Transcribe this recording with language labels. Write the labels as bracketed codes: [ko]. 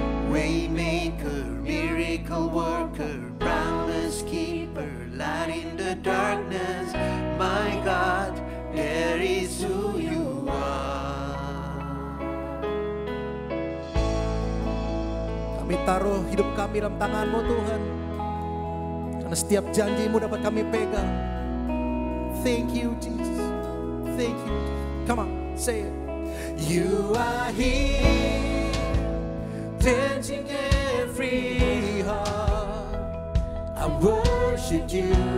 [en] Way maker, miracle worker, promise keeper, light in the darkness. My God, that is who you are. [id] Kami taruh hidup kami dalam tangan-Mu Tuhan, karena setiap janji-Mu dapat kami pegang. [en] Thank you Jesus. Thank you. Come on, say it. You are here changing every heart. I worship you.